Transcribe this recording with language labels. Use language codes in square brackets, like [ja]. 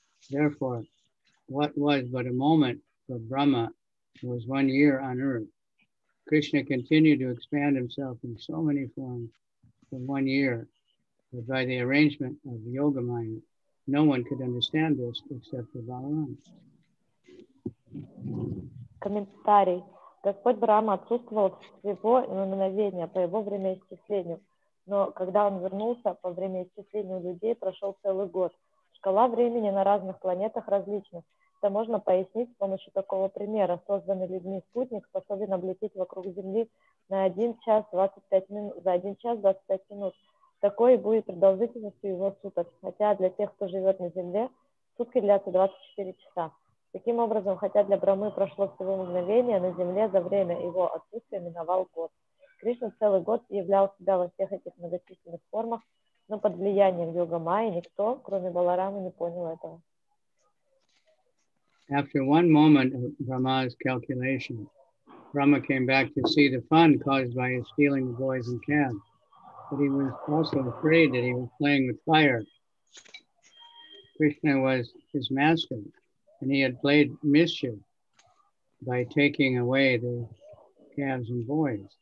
[en] Therefore, what was but a moment for Brahma was 1 year on Earth. Krishna continued to expand himself in so many forms for 1 year, but by the arrangement of the yoga mind, no one could understand this except for Balaram. [ru] Комментарий. Господь Брахма отсутствовал всего мгновения по его времяисчислению, Но когда он вернулся, по время исчисления людей прошел целый год. Шкала времени на разных планетах различна. Это можно пояснить с помощью такого примера. Созданный людьми спутник способен облететь вокруг Земли на 1 час 25 минут, за 1 час 25 минут. Такой будет продолжительность его суток. Хотя для тех, кто живет на Земле, сутки длятся 24 часа. Таким образом, хотя для Брахмы прошло всего мгновение, на Земле за время его отсутствия миновал год. Кришна целый год являл себя во всех этих многочисленных формах, но под влиянием йога майи никто, кроме Баларамы, не понял этого. [en] After one moment of Brahma's calculation, Brahma came back to see the fun caused by his stealing the boys and calves. But he was also afraid that he was playing with fire. Krishna was his master, and he had played mischief by taking away the calves and boys.